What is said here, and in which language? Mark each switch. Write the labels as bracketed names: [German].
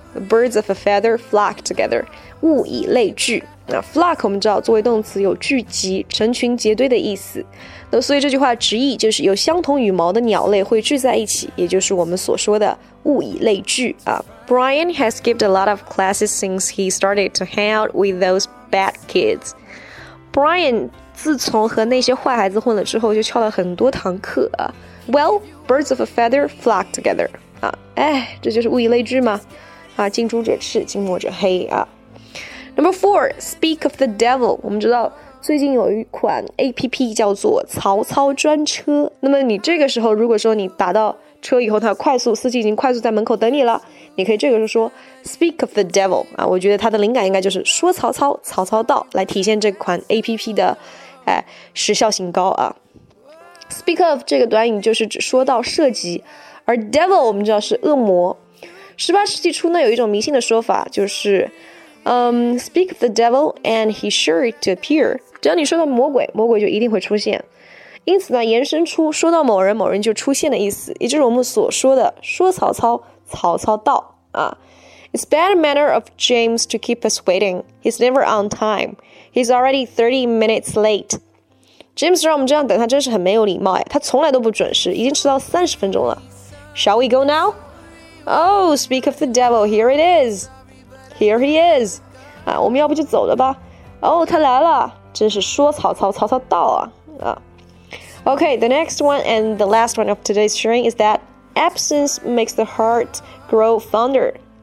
[English] Birds of a feather flock together. [Chinese] 物以类聚。那 flock 我们知道作为动词有聚集、成群结队的意思。那所以这句话直译就是有相同羽毛的鸟类会聚在一起，也就是我们所说的物以类聚啊。 [English] Brian has skipped a lot of classes since he started to hang out with those bad kids. [Chinese] Brian 自从和那些坏孩子混了之后，就翘了很多堂课啊。 [English] Well, birds of a feather flock together. [Chinese] 这就是物以类聚吗？近朱者赤，近墨者黑啊。 [English] Number four, speak of the devil. [Chinese] 我们知道最近有一款 APP 叫做曹操专车。那么你这个时候如果说你打到车以后，它快速，司机已经快速在门口等你了，你可以这个时候说 [English] speak of the devil. [Chinese] 我觉得它的灵感应该就是说曹操，曹操到，来体现这款 APP 的时效性高啊。 Speak of 这个短语就是指说到涉及，而 devil 我们知道是恶魔。十八世纪初呢，有一种迷信的说法就是， [English] speak of the devil and he sure to appear。 [Chinese] 只要你说到魔鬼，魔鬼就一定会出现。因此呢，延伸出说到某人，某人就出现的意思，也就是我们所说的说曹操，曹操到啊。 [English] It's bad manner of James to keep us waiting. He's never on time. He's already 30 minutes late. [Chinese] James 让我们这样等他真是很没有礼貌，他从来都不准时，已经迟到30分钟了。 [English] Shall we go now? Oh, speak of the devil, here it is. Here he is. [Chinese] 我们要不就走了吧。他来了，真是说曹操，曹操到啊。 [English] Okay, the next one and the last one of today's sharing is that absence makes the heart grow fonder.